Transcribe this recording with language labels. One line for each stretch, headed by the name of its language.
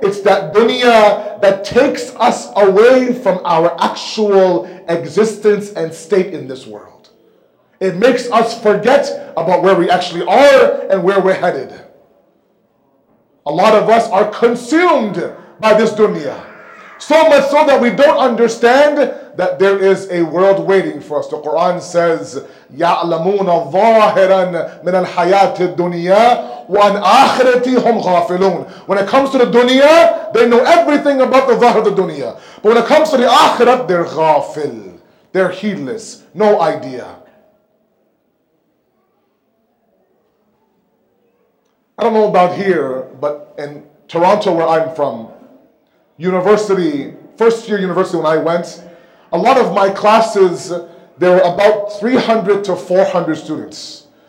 English: It's that dunya that takes us away from our actual existence and state in this world. It makes us forget about where we actually are and where we're headed. A lot of us are consumed by this dunya. So much so that we don't understand that there is a world waiting for us. The Quran says,
Arabic: يَعْلَمُونَ ظَاهِرًا مِنَ الْحَيَاةِ الدُّنْيَا وَأَنْ آخِرَتِي هُمْ غَافِلُونَ.
English: When it comes to the dunya, they know everything about the ظَاهِرَ of the dunya. But when it comes to the akhirat, they're غَافِل. They're heedless. No idea. I don't know about here, but in Toronto where I'm from, university, first year university when I went, a lot of my classes, there were about 300 to 400 students.